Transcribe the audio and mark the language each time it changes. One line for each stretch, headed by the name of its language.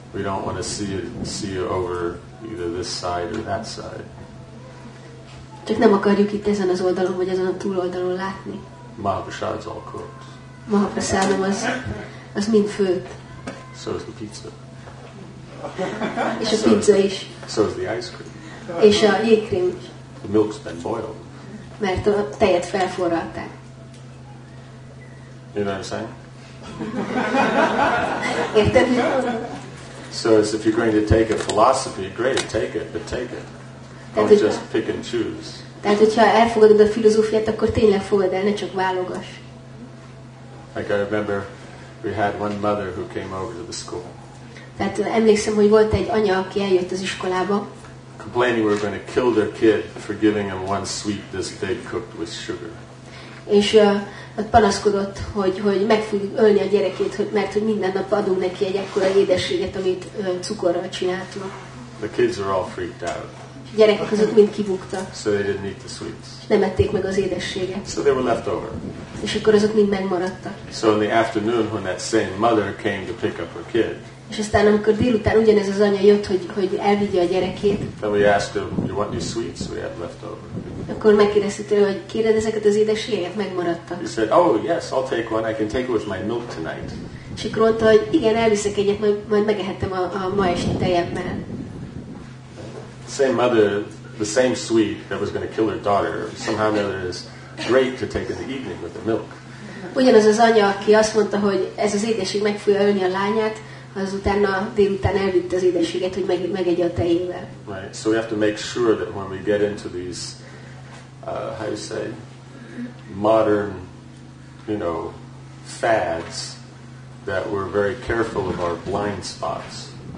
English: We don't want to see you over either this side or that side.
Hungarian: Csak nem akarjuk itt ezen az oldalon, vagy azon a túloldalon látni.
English: Mahaprasad's all cooked.
Hungarian: Mahaprasadam az mind főtt.
English: So is the pizza.
Hungarian: És a pizza is.
English: So is the ice cream.
Hungarian: És a jégkrém is.
English: The milk's been boiled.
Hungarian: Mert a tejet felforralták.
English: You know what I'm saying?
Hungarian: Érted?
English: So as if you're going to take a philosophy, great, take it, but take it. Don't just pick and choose.
Hungarian: Tehát, hogyha elfogadod a filozófiát, akkor tényleg fogad el, ne csak válogass.
English: Like I remember, we had one mother who came over to the school.
Hungarian: Tehát emlékszem, hogy volt egy anya, aki eljött az iskolába.
English: Complaining we were going to kill their kid for giving him one sweet this they cooked with sugar.
Hungarian: És panaszkodott, hogy meg fog ölni a gyerekét, mert minden nap adunk neki egy ekkora édességet, amit cukorral csináltunk.
English: The kids are all freaked out.
Hungarian: A gyerekek azok mind kibuktak.
English: So they didn't eat the sweets.
Hungarian: És nem ették meg az édességet.
English: So they were left over.
Hungarian: És akkor azok mind megmaradtak.
English: So in the afternoon when that same mother came to pick up her kid.
Hungarian: És aztán amikor délután ugyanez az anya jött, hogy elvigye a gyerekét.
English: Then we asked him, you want any sweets? We had left over.
Hungarian: Akkor megkérdezte tőle, hogy kéred ezeket az édességet? Megmaradtak.
English: He said, oh yes, I'll take one. I can take it with my milk tonight.
Hungarian: És akkor mondta, hogy igen, elviszek egyet, majd megehettem a ma esti tejemmel.
English: Same mother, the same sweet that was going to kill her daughter, somehow or another is great to take in the evening with the milk.
Hungarian: Ugyanaz az anya, aki azt mondta, hogy ez az édesség meg fogja ölni a lányát, az utána délután elvitte az édességet, hogy megegye a tejével.
English: Right, so we have to make sure that when we get into these, how you say, modern, you know, fads, that we're very careful of our blind spots.